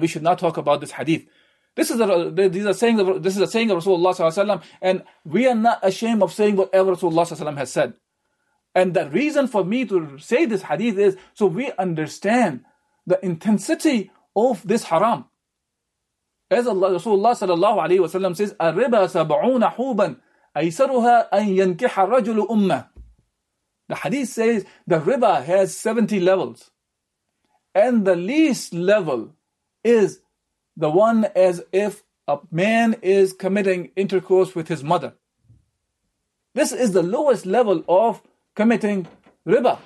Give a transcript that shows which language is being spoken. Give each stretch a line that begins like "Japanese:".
English: We should not talk about this hadith. This is a saying of Rasulullah Sallallahu Alaihi Wasallam, and we are not ashamed of saying whatever Rasulullah Sallallahu Alaihi Wasallam has said. And the reason for me to say this hadith is so we understand the intensity of this haram. As Rasulullah sallallahu alayhi wa sallam says,
Arabic: الربا سبعون حوبا أيسرها أن ينكح الرجل أمة.
English: The hadith says the riba has 70 levels. And the least level is the one as if a man is committing intercourse with his mother. This is the lowest level of committing riba.